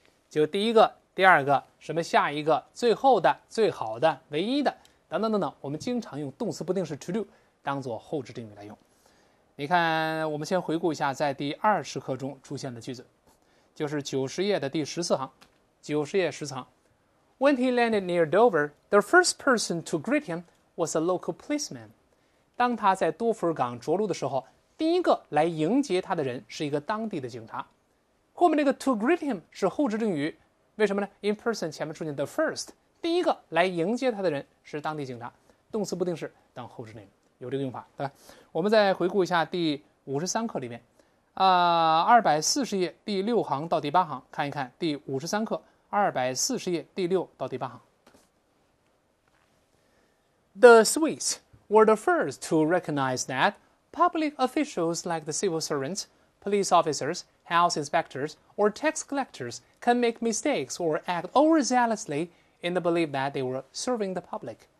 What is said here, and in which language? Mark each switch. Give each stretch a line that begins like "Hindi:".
Chinese: 就第一个、第二个、什么下一个、最后的、最好的、唯一的等等等等，我们经常用动词不定式 to do 当做后置定语来用。你看，我们先回顾一下在第20课中出现的句子，就是90页的第14行，90页10行。
English: When he landed near Dover, the first person to greet him was a local policeman。
Chinese: 当他在多佛尔港着陆的时候，第一个来迎接他的人是一个当地的警察。后面这个
English: to greet him
Chinese: 是后置定语，为什么呢？
English: In person
Chinese: 前面出现
English: the first，
Chinese: 第一个来迎接他的人是当地警察，动词不定式当后置定语，有这个用法，对吧？我们再回顾一下第53课里面，240页第6行到第8行，看一看第53课240页第6到第8行。
English: The Swiss were the first to recognize that public officials like the civil servants, police officers, house inspectors, or tax collectors can make mistakes or act overzealously in the belief that they were serving the public.